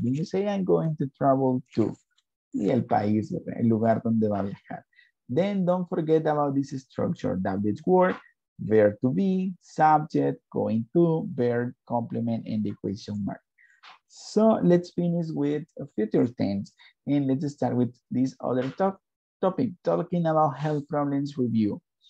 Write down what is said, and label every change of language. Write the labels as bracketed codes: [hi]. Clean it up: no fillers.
[en] When you say I'm going to travel to. [es] Y el país, el lugar donde va a viajar. [en] Then don't forget about this structure. WH word, verb to be, subject, going to, verb, complement, and the question mark. So let's finish with future tense. And let's start with this other topic, talking about health problems review.